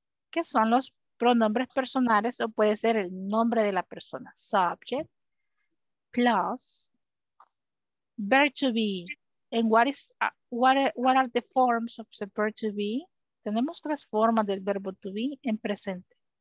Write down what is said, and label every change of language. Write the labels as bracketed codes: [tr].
[es] que son los pronombres personales o puede ser el nombre de la persona. [en] Subject plus verb to be. And what are the forms of the verb to be? [es] Tenemos tres formas del verbo to be en presente.